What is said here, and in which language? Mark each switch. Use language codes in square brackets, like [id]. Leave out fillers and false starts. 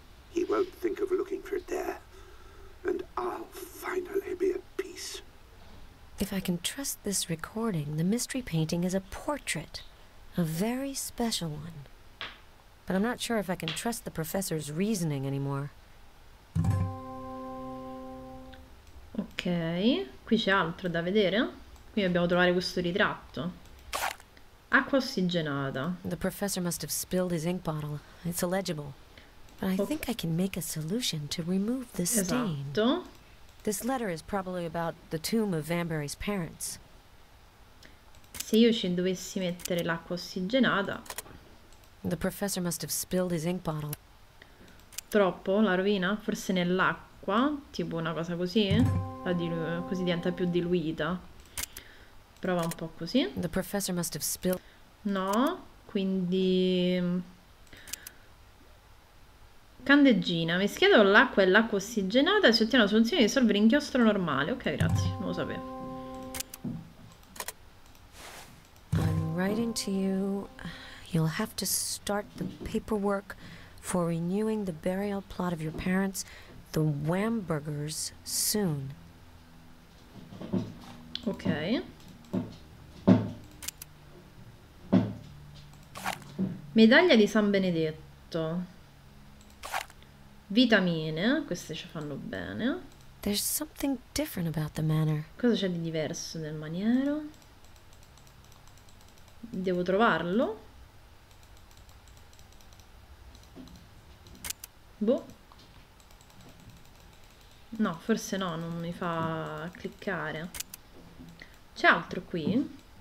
[en] He won't think of looking for it there. And I'll finally be at peace. If I can trust this recording, the mystery painting is a portrait. A very special one. But I'm not sure if I can trust the professor's reasoning anymore. [it] Ok, qui c'è altro da vedere. Qui dobbiamo trovare questo ritratto. Acqua ossigenata. [en] The professor must have spilled his ink bottle. It's illegible. But I think I can make a solution to remove the stain. [it] Esatto. [en] This letter is probably about the tomb of Vanbury's parents. [it] Se io ci dovessi mettere l'acqua ossigenata. [en] The professor must have spilled his ink bottle. [it] Troppo? La rovina? Forse nell'acqua? Tipo una cosa così? Così diventa più diluita. Prova un po' così. [en] The professor must have spilled. [it] No, quindi... Candeggina. Mischiato con l'acqua e l'acqua ossigenata si ottiene una soluzione di dissolvere inchiostro normale. Ok, grazie. Non lo sapevo. [en] I'm writing to you. You'll have to start the paperwork for renewing the burial plot of your parents, the Wambergers, soon. Ok. [it] Medaglia di San Benedetto. Vitamine, queste ci fanno bene. [en] There's something different about the manor. [it] Cosa c'è di diverso nel maniero? Devo trovarlo? Boh. No, forse no, non mi fa cliccare. C'è altro qui?